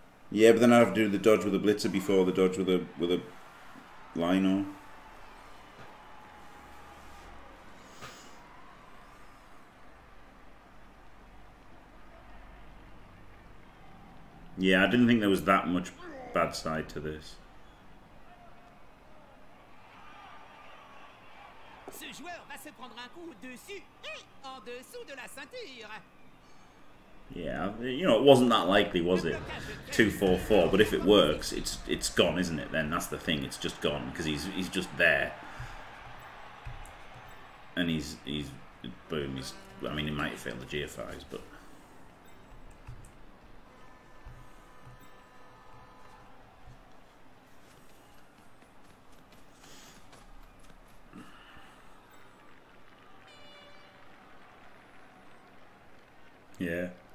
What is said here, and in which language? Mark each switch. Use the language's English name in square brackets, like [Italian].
[English] Yeah, but then I have to do the dodge with a blitzer before the dodge with a lino. Yeah, I didn't think there was that much bad side to this. [French] Ce joueur va se prendre un coup dessus et en dessous de la ceinture. [English] Yeah, you know, it wasn't that likely, was it? 2-4-4, but if it works, it's gone, isn't it? Then that's the thing, it's just gone, because he's just there. And he's boom, he's, I mean, he might have failed the GFIs, but yeah.